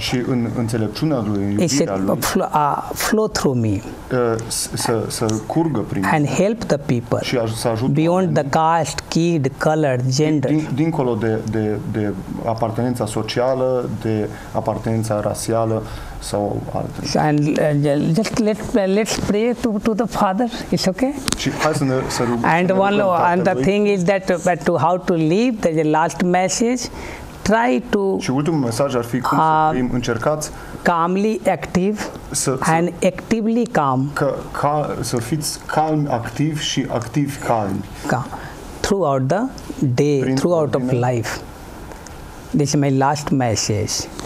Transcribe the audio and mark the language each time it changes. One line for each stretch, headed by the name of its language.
Romanian: și în înțelepciunea lui, în iubirea lui,
English: flow through me,
Romanian: să curgă prin mine,
English: and help the people,
Romanian: și să ajut
English: beyond the caste, creed, color, gender,
Romanian: dincolo de apartenența socială, de apartenența rasială sau alte.
English: And just let's pray to the Father, it's okay.
Romanian: Și hai să ne rugăm.
English: And one and the thing is that to how to live, there's a last message. Try to.
Romanian: Și ultimul mesaj ar fi cum să fim, încercați
English: calmly active and actively calm.
Romanian: Să fiți calm activ și activ calm.
English: Throughout the day, throughout of life. This is my last message.